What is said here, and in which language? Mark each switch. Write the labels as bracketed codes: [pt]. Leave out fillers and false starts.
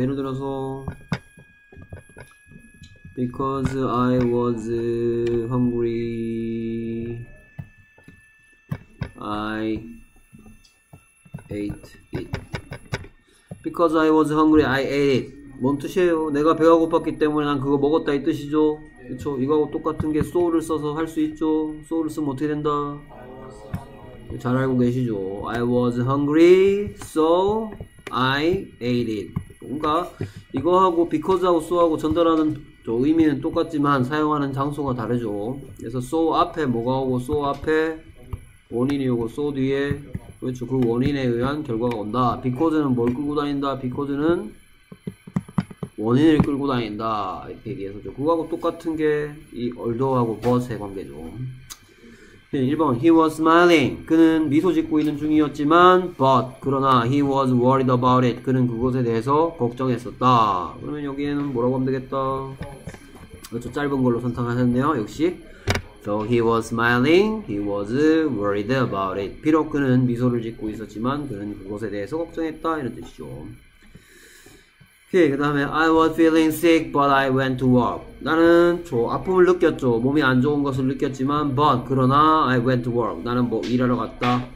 [ko] 예를 들어서 [en] because I was hungry, I ate it. Because I was hungry, I ate it. [ko] 뭔 뜻이에요? 내가 배가 고팠기 때문에 난 그거 먹었다 이 뜻이죠. 그렇죠. 이거하고 똑같은 게 so를 써서 할수 있죠. so를 쓰면 어떻게 된다? 잘 알고 계시죠. [en] I was hungry, so I ate it. [ko] 뭔가 이거하고 because하고 so하고 전달하는 저 의미는 똑같지만 사용하는 장소가 다르죠. 그래서 so 앞에 뭐가 오고 so 앞에 원인이 오고 so 뒤에 그렇죠. 그 원인에 의한 결과가 온다. because는 뭘 끌고 다닌다? because는 원인을 끌고 다닌다. 이렇게 얘기해서 그거하고 똑같은 게이 although하고 but의 관계죠. [en] 1번, he was smiling. [ko] 그는 미소 짓고 있는 중이었지만, [en] but, [ko] 그러나, [en] he was worried about it. [ko] 그는 그것에 대해서 걱정했었다. 그러면 여기에는 뭐라고 하면 되겠다? 그렇죠. 짧은 걸로 선택하셨네요. 역시. [en] Though he was smiling, he was worried about it. [ko] 비록 그는 미소를 짓고 있었지만, 그는 그것에 대해서 걱정했다. 이런 뜻이죠. 오케이, 그 다음에 [en] I was feeling sick, but I went to work. [ko] 나는 저 아픔을 느꼈죠. 몸이 안 좋은 것을 느꼈지만, but 그러나 [en] I went to work. [ko] 나는 뭐 일하러 갔다.